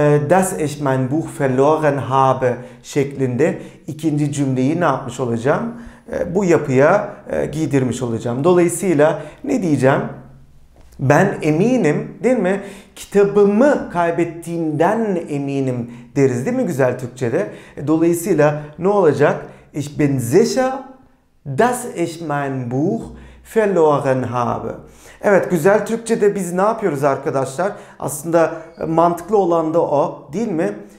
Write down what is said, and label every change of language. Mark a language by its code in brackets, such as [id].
[tr] Das ich mein Buch verloren habe şeklinde ikinci cümleyi ne yapmış olacağım? Bu yapıya giydirmiş olacağım. Dolayısıyla ne diyeceğim? Ben eminim değil mi? Kitabımı kaybettiğimden eminim deriz değil mi güzel Türkçe'de? [de] Dolayısıyla ne olacak? Ich bin sicher, dass ich mein Buch Verloren habe. [tr] Evet, güzel Türkçe'de biz ne yapıyoruz arkadaşlar? Aslında mantıklı olan da o, değil mi?